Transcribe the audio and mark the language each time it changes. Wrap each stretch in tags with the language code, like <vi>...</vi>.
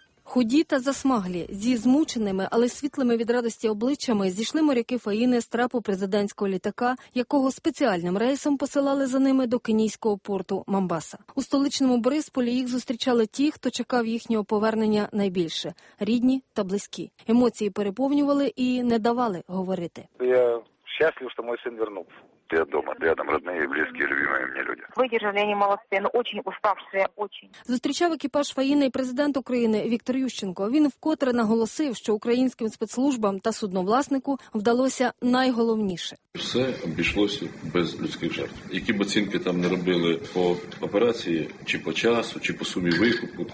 <uk>Худі та засмаглі, зі змученими, але світлими від радості обличчями, зійшли моряки Фаїни з трапу президентського літака, якого спеціальним рейсом посилали за ними до кенійського порту Мамбаса. У столичному Борисполі їх зустрічали ті, хто чекав їхнього повернення найбільше – рідні та близькі. Емоції переповнювали і не давали говорити. Я щасливий, що мій син повернувся.</uk> <ru>Я дома, рядом родные, близкие, любимые мне люди. Выдержали они молодцы, но очень уставшие, очень.</ru> <uk>Зустрічав екіпаж Фаїни і президент України Віктор Ющенко. Він вкотре наголосив, що українським спецслужбам та судновласнику вдалося найголовніше. Все обійшлося без людських жертв. Які б оцінки там не робили по операції, чи по часу, чи по сумі викупу.</uk>